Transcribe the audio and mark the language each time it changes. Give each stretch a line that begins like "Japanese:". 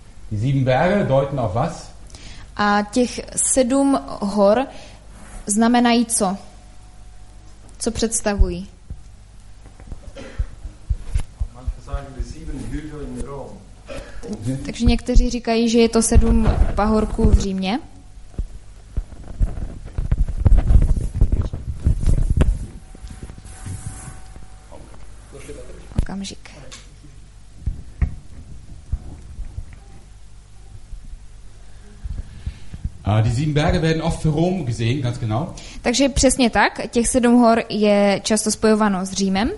German: Die 7 Berge deuten auf was?
Czech: A těch 7 hor znamenají co? Co představují?
German: Manche sagen die 7 Hügel in Rom.
Czech: Takže někteří říkají, že je to 7 pahorků v Římě. Okamžik. Uh,
German: Die sieben Berge werden oft für Rom gesehen, ganz genau.
Czech: Takže přesně tak, těch sedm hor je často spojováno s Římem.